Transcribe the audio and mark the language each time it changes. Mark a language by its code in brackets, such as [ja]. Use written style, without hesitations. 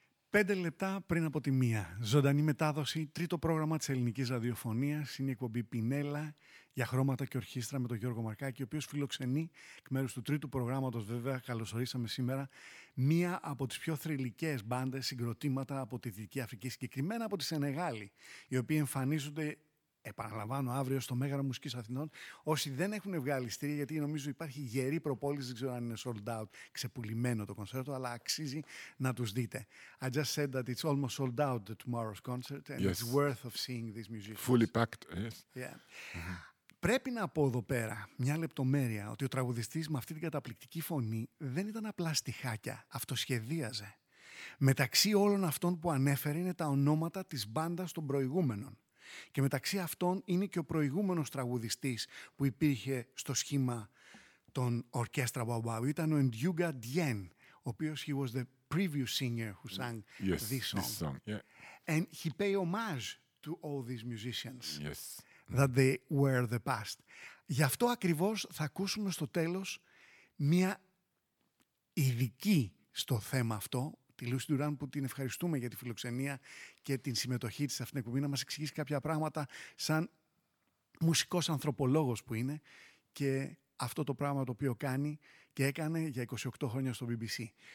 [el] 5 λεπτά πριν από τη μία, ζωντανή μετάδοση, τρίτο πρόγραμμα της ελληνικής ραδιοφωνίας, είναι η εκπομπή Πινέλα για χρώματα και ορχήστρα με τον Γιώργο Μαρκάκη, ο οποίος φιλοξενεί εκ μέρους του τρίτου προγράμματος, βέβαια, καλωσορίσαμε σήμερα μία από τις πιο θρυλικές μπάντες, συγκροτήματα από τη Δυτική Αφρική, συγκεκριμένα από τη Σενεγάλη, οι οποίοι εμφανίζονται, επαναλαμβάνω, αύριο στο Μέγαρο Μουσικής Αθηνών. Όσοι δεν έχουν βγάλει στήρια, γιατί νομίζω υπάρχει γερή προπόληση, δεν ξέρω αν είναι [en] sold out, [el] ξεπουλημένο το κονσέρτο, αλλά αξίζει να τους δείτε. [en] I just said that it's almost sold out, the tomorrow's concert, and yes, it's worth of seeing these musicians. Fully packed, yes. Yeah. [el] Πρέπει να πω εδώ πέρα μια λεπτομέρεια, ότι ο τραγουδιστής με αυτή την καταπληκτική φωνή δεν ήταν απλά στιχάκια, αυτοσχεδίαζε. Μεταξύ όλων αυτών που ανέφερε είναι τα ονόματα της μπάντας των προηγούμενων. Και μεταξύ αυτών είναι και ο προηγούμενος τραγουδιστής που υπήρχε στο σχήμα των ορκέστρα Μπαμπάου. Ήταν ο Ντιούγκα Ντιέν, ο οποίος [en] he was the previous singer who sang yes, this song. This song. Yeah. And he paid homage to all these musicians yes, that they were the past. [el] Γι' αυτό ακριβώς θα ακούσουμε στο τέλος μία ειδική στο θέμα αυτό, τη Λούση Ντουράν, που την ευχαριστούμε για τη φιλοξενία και την συμμετοχή της σε αυτήν την εκπομπή, να μας εξηγήσει κάποια πράγματα σαν μουσικός ανθρωπολόγος που είναι και αυτό το πράγμα το οποίο κάνει και έκανε για 28 χρόνια στο BBC.